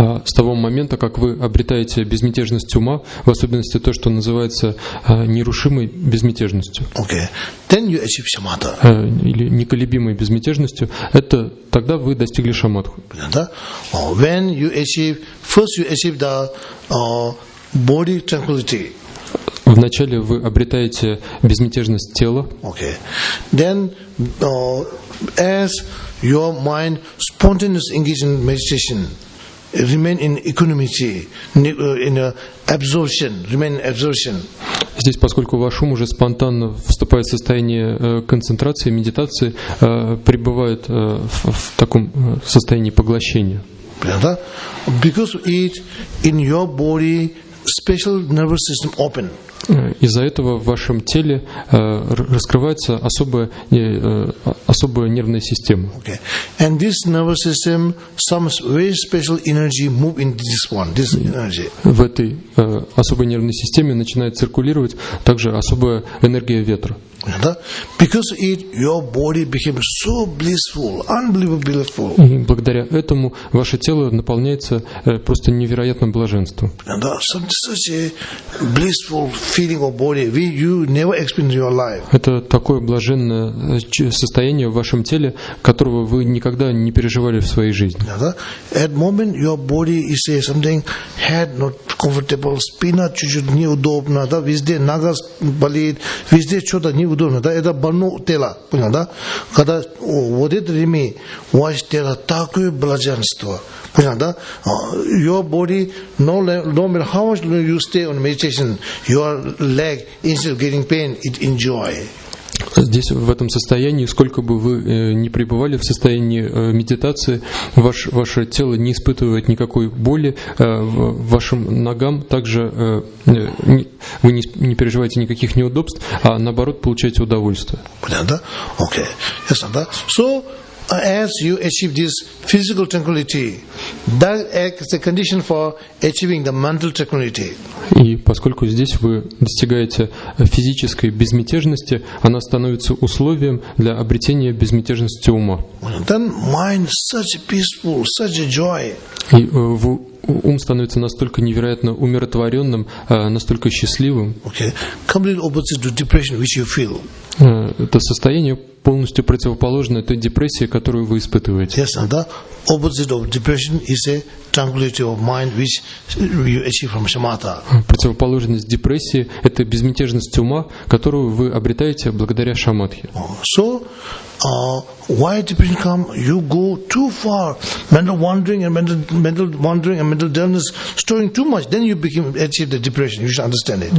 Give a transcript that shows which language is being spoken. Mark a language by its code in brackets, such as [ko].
[ru] С того момента, как вы обретаете безмятежность ума, в особенности то, что называется нерушимой безмятежностью. [en] Okay. Then you achieve shamatha. [ru] Или неколебимой безмятежностью. Это тогда вы достигли шамадху. Да. [en] When you achieve, first you achieve the body tranquility. [ru] Вначале вы обретаете безмятежность тела. Okay. [en] Then, as your mind spontaneously engages in meditation, remain in equanimity, in absorption, remain in absorption. [ru] Здесь, поскольку ваш ум уже спонтанно вступает в состояние концентрации, медитации, пребывает в таком состоянии поглощения. Да? [en] Because it in your body special nervous system open. [ru] Из-за этого в вашем теле раскрывается особая нервная система. Okay. [en] And this nervous system, some very special energy move in this one, this energy. [ru] В этой особой нервной системе начинает циркулировать также особая энергия ветра. [en] Because it, your body became so blissful, unbelievably blissful. [ru] И благодаря этому ваше тело наполняется просто невероятным блаженством. [en] Such a blissful feeling of body we you never experienced in your life. [ru] Это такое блаженное состояние в вашем теле, которого вы никогда не переживали в своей жизни. [en] At moment your body is say something head not comfortable, [ru] спина чуть-чуть неудобно, да, везде нога болит, везде что-то не удобно, да, это больно тело, понял, да? Когда вот это время, ваше тело такое блаженство, понял, да? [en] Your body, no matter how much you stay on meditation, your leg, instead of getting pain, it enjoy. [ru] Здесь, в этом состоянии, сколько бы вы ни пребывали в состоянии медитации, ваше тело не испытывает никакой боли, вашим ногам также вы не переживаете никаких неудобств, а наоборот получаете удовольствие. Понятно? Okay. Yes, да? [en] So, as you achieve this physical tranquility, that acts the condition for achieving the mental tranquility. [ru] И поскольку здесь вы достигаете физической безмятежности, она становится условием для обретения безмятежности ума. [en] Then mind such peaceful, such a joy. [ru] И ум становится настолько невероятно умиротворенным, настолько счастливым. [en] Okay. Completely opposite to depression, which you feel. [ru] Это состояние полностью противоположное той депрессии, которую вы испытываете. [en] Yes, and the opposite of depression is a tranquility of mind, which you achieve from shamatha. [ru] Противоположность депрессии – это безмятежность ума, которую вы обретаете благодаря шамадхе. [en] So, why depression come? You go too far, mental wandering and mental dullness, storing too much, then you achieve the depression. You should understand it.